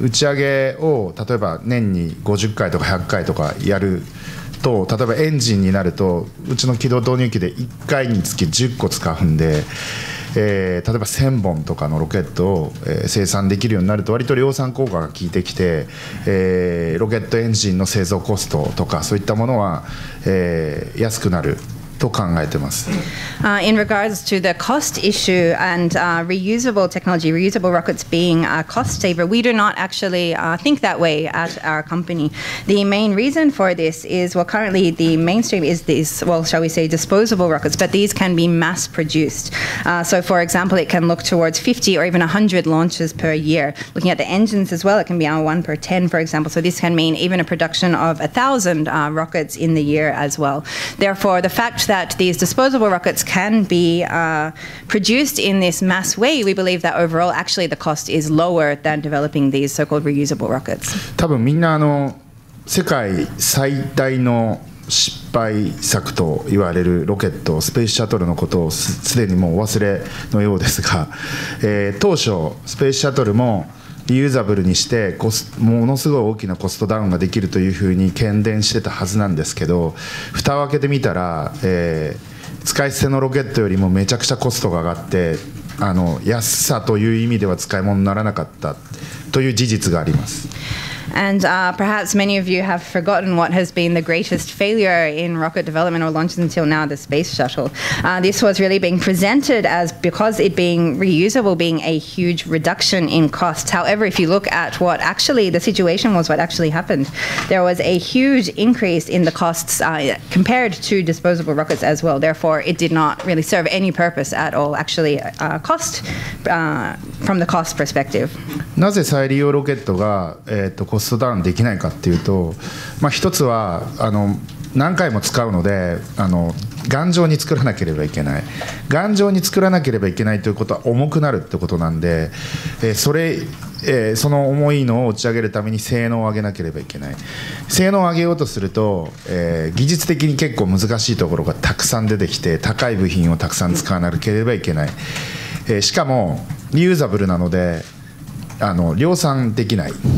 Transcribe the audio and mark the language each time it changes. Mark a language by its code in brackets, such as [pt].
[ja] 打ち上げを例えば年に50回とか100回とかやると、例えばエンジンになると、うちの軌道導入機で1回につき10個使うんで、例えば1000本とかのロケットを、生産できるようになると、割と量産効果が効いてきて、ロケットエンジンの製造コストとかそういったものは、安くなると考えてます。 [en] In regards to the cost issue and reusable technology, reusable rockets being a cost saver, we do not actually think that way at our company. The main reason for this is, well, currently the mainstream is these, well, shall we say, disposable rockets, but these can be mass produced. So for example, it can look towards 50 or even 100 launches per year. Looking at the engines as well, it can be on 1 per 10, for example. So this can mean even a production of 1,000 rockets in the year as well. Therefore, the fact that these disposable rockets can be produced in this mass way, we believe that overall actually the cost is lower than developing these so-called reusable rockets. [ja] 多分みんな世界最大の失敗作と言われるロケット、スペースシャトルのことをすでにもうお忘れのようですが、当初スペースシャトルもリユーザブルにしてものすごい大きなコストダウンができるというふうに喧伝してたはずなんですけど、蓋を開けてみたら、使い捨てのロケットよりもめちゃくちゃコストが上がって、安さという意味では使い物にならなかったという事実があります。 [en] And perhaps many of you have forgotten what has been the greatest failure in rocket development or launches until now, the space shuttle. This was really being presented as, because it being reusable, being a huge reduction in cost. However, if you look at what actually the situation was, what actually happened, there was a huge increase in the costs compared to disposable rockets as well. Therefore, it did not really serve any purpose at all, actually, cost, from the cost perspective. [ja] なぜ再利用ロケットがコストダウンできないかっていうと、まあ、一つは何回も使うので頑丈に作らなければいけない、頑丈に作らなければいけないということは重くなるってことなんで、その重いのを打ち上げるために性能を上げなければいけない、性能を上げようとすると、技術的に結構難しいところがたくさん出てきて、高い部品をたくさん使わなければいけない、しかもリユーザブルなので量産できない、